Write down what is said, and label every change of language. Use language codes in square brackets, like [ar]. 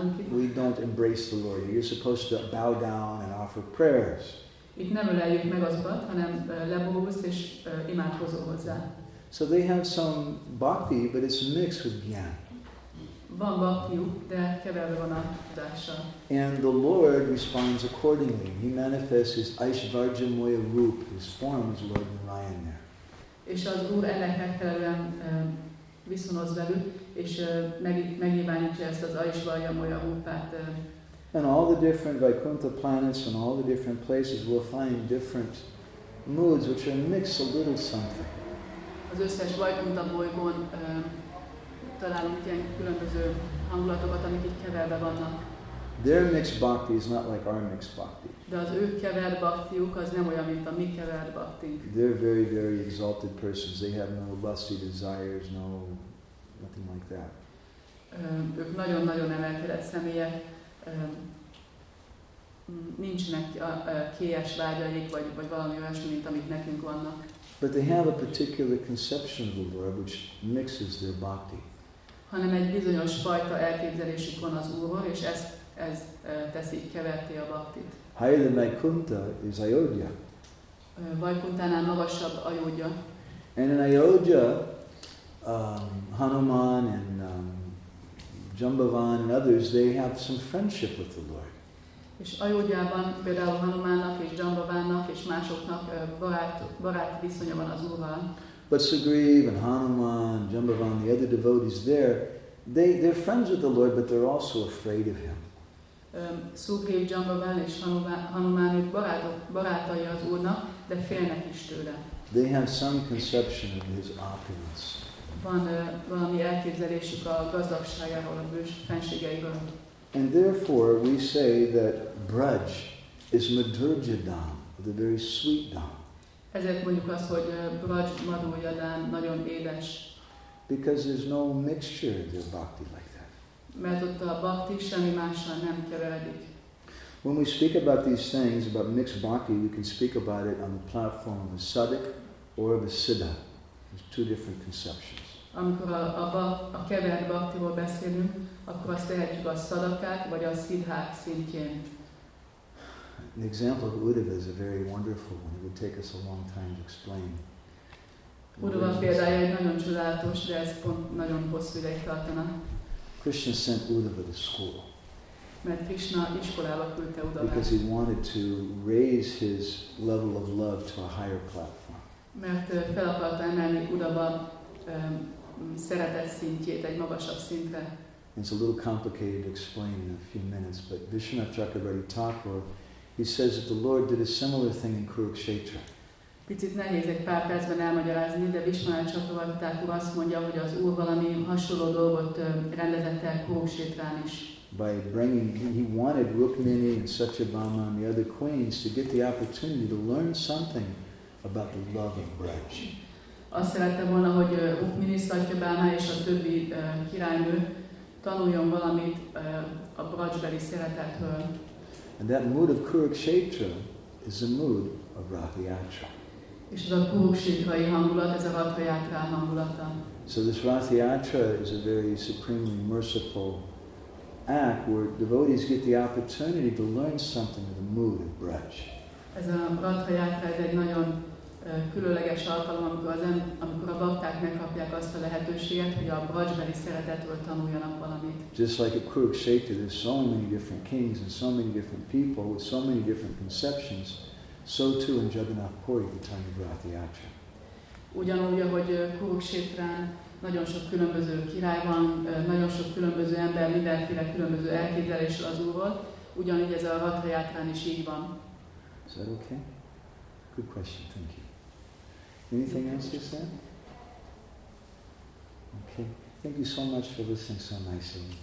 [en] We don't embrace the Lord. You're supposed to bow down and offer prayers. [hu] Itt nem öleljük meg az Urat, hanem lebogulsz és imádkozol hozzá. [en] So they have some bhakti, but it's mixed with gyan. [hu] Van bhaktiuk, de keverve van a tudással. [en] And the Lord responds accordingly. He manifests his Aishvarjamoya rup, his form as Lord Narayan there. [hu] És az Úr ennek megfelelően viszonoz velük, és megnyilvánítja ezt az Aishvarjamoya rupát. [en] And all the different Vaikuntha planets and all the different places will find different moods, which are mixed a little something. [hu] Az összes Vaikuntha bolygón találunk ilyen különböző hangulatokat, amik itt keverve vannak. [en] Their mixed bhakti is not like our mixed bhakti. [hu] De az ő kevert bhaktiuk az nem olyan, mint a mi kevert bhaktink. [en] They're very, very exalted persons. They have no lusty desires, no nothing like that. [hu] Ők nagyon-nagyon emelkedett személyek. Nincsenek kélyes vágyaik, vagy valami olyasmi, mint amik nekünk vannak. [en] But they have a particular conception of the Lord, which mixes their bhakti. [hu] Hanem egy bizonyos fajta elképzelésük van az Úrról, és ez teszi keverté a bhaktit. [en] Higher than Vaikuntha is Ayodhya. [hu] Vaikunthánál magasabb Ayodhya. [en] And in Ayodhya, Hanuman and Jambavan and others, they have some friendship with the Lord. [hu] És Ayodhyában például Hanumannak és Jambavannak és másoknak baráti viszonya van az Úrral. [en] But Sugriva and Hanuman, Jambavan, the other devotees there, they're friends with the Lord, but they're also afraid of him. [hu] Sugriva, Jambavan és Hanuman ők barátai az Úrnak, de félnek is tőle. [en] They have some conception of his opulence. [hu] Van valami elképzelésük a gazdagságáról, a fenségeiről. [en] And therefore we say that Braj is Madhurja Dham, the very sweet Dham. [hu] Ezért mondjuk azt, hogy Braj Madhurja Dham nagyon édes. [en] Because there's no mixture of bhakti like that. [hu] Mert ott a bhakti semmi mással nem keveredik. [en] When we speak about these things, about mixed bhakti, we can speak about it on the platform of a sadhak or of a siddha. There's two different conceptions. [hu] Amikor a kevert bhaktiról beszélünk, akkor azt tehetjük a szadakát vagy a szidhák szintjén. [en] An example of Uddhava is a very wonderful one. It would take us a long time to explain. [hu] Uddhava példája egy nagyon csodálatos, de ez pont nagyon hosszú ideig tartana. [en] Krishna sent Uddhava to school. [hu] Mert Krishna iskolába küldte Uddhavát. [en] Because he wanted to raise his level of love to a higher platform. [hu] Mert fel akarta emelni Uddhava szeretet szintjét egy magasabb szintre. [en] It's a little complicated to explain in a few minutes, but Vishwanatha Chakravarti Thakur, he says that the Lord did a similar thing in Kurukshetra. [hu] Picit nehéz egy pár percben elmagyarázni, de Vishwanatha Chakravarti Thakur azt mondja, hogy az Úr valami hasonló dolgot rendezett el Kurukshetrán is. [en] By bringing, he wanted Rukmini and Satyabhama and the other queens to get the opportunity to learn something about the love of Braj. [hu] Azt szerette volna, hogy Rukmini, Satyabhama és a többi királynő tanuljon valamit a Brajbeli szeretetről. [en] And that mood of Kurukshetra is the mood of Ratha Yatra. [hu] És ez a Kurukshetrai hangulat, ez a Ratha Yatra hangulata. [en] So this Ratha Yatra is a very supremely merciful act where devotees get the opportunity to learn something of the mood of Braj. [hu] Ez a Ratha Yatra, ez egy nagyon különleges alkalom, amikor a bhakták megkapják azt a lehetőséget, hogy a Brajbeli szeretetről tanuljanak valamit. [en] Just like a Kurukshetra, there's so many different kings and so many different people with so many different conceptions, so too in Jagannath Puri, the time of Ratha Yatra. [hu] Ugyanúgy, ahogy Kurukshetrán nagyon sok különböző király van, nagyon sok különböző ember, mindenféle különböző elképzelésre az úrról, ugyanúgy ez a Ratha Yatrán is így van. [en] Is that okay? Good question, thank you. Anything else you said? Okay. Thank you so much for listening so nicely.